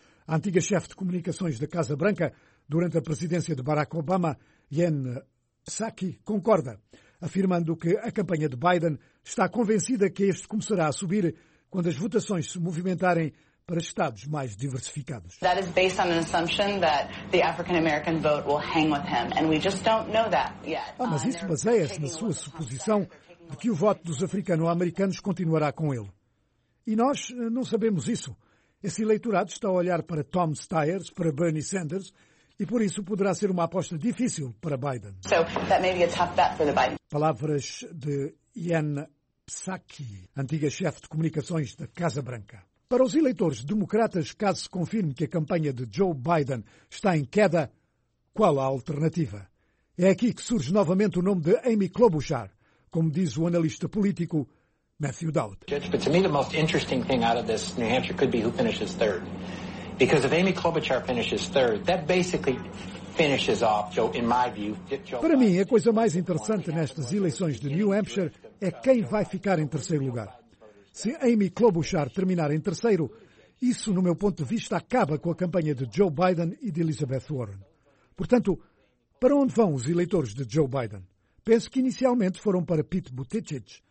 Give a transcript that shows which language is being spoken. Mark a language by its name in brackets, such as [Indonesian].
[Portuguese] A antiga chefe de comunicações da Casa Branca, durante a presidência de Barack Obama, Jen Psaki, concorda, afirmando que a campanha de Biden está convencida que este começará a subir quando as votações se movimentarem para estados mais diversificados. [English] That is based on an assumption that the African-American vote will hang with him, and we just don't know that yet. [Portuguese] Mas isso baseia-se na sua suposição de que o voto dos africano-americanos continuará com ele. E nós não sabemos isso. Esse eleitorado está a olhar para Tom Steyer, para Bernie Sanders, e por isso poderá ser uma aposta difícil para Biden. [English] So, that may be a tough bet for the Biden. [Portuguese] Palavras de Jen Psaki, antiga chefe de comunicações da Casa Branca. Para os eleitores democratas, caso se confirme que a campanha de Joe Biden está em queda, qual a alternativa? É aqui que surge novamente o nome de Amy Klobuchar, como diz o analista político Matthew Dowd. [English] Judge, but to me the most interesting thing out of this, New Hampshire, could be who finishes third. Because if Amy Klobuchar finishes third, that basically finishes off Joe, in my view. [Portuguese] Para mim, a coisa mais interessante nestas eleições de New Hampshire é quem vai ficar em terceiro lugar. Se Amy Klobuchar terminar em terceiro, isso, no meu ponto de vista, acaba com a campanha de Joe Biden e de Elizabeth Warren. Portanto, para onde vão os eleitores de Joe Biden? Penso que inicialmente foram para Pete Buttigieg.